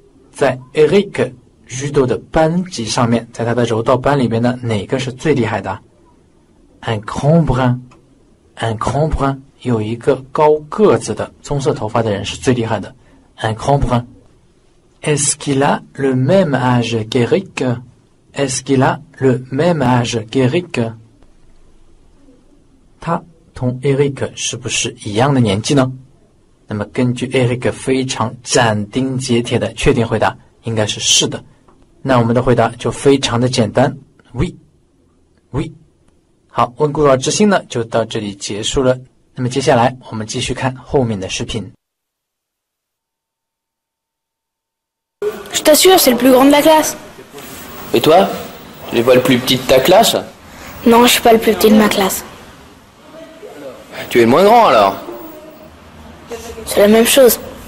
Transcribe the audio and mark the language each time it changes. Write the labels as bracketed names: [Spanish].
[Chinese] 在 Eric judo 的班级上面，在他的柔道班里面呢，哪个是最厉害的？ [French] Un grand brun, un grand brun, [Chinese] 有一个高个子的棕色头发的人是最厉害的。 Un grand brun. [French] Est-ce qu'il a le même âge qu'Eric? Est-ce qu'il a le même âge qu'Eric? [Chinese] 他同 Eric 是不是一样的年纪呢？那么根据 Eric 非常斩钉截铁的确定回答，应该是是的。那我们的回答就非常的简单 ， [French] oui, oui。 [Chinese] 好，温故而知新呢，就到这里结束了。那么接下来我们继续看后面的视频。 [French] Je t'assure, c'est le plus grand de la classe. Et toi? Tu n'es pas le plus petit de ta classe? Non, je ne suis pas le plus petit de ma classe. Tu es le moins grand alors? C'est la même chose.